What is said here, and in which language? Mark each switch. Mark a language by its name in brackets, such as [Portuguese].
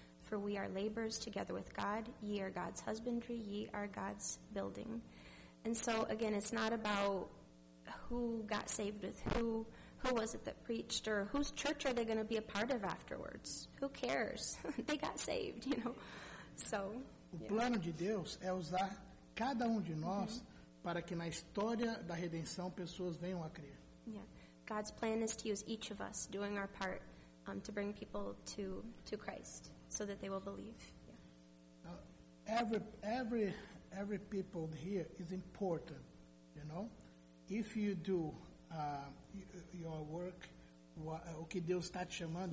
[English] For we are laborers together with God, ye are God's husbandry, ye are God's building. And so again, it's not about who got saved with who was it that preached, or whose church are they going to be a part of afterwards? Who cares? They got saved, you know. So, [Portuguese] o plano de Deus é usar cada de nós para que na história da redenção pessoas venham a crer. [English] Yeah. God's plan is to use each of us doing our part to bring people to Christ so that they will believe. Yeah. Every people here is important, you know. [Portuguese] If you do your work, o que Deus está te chamando,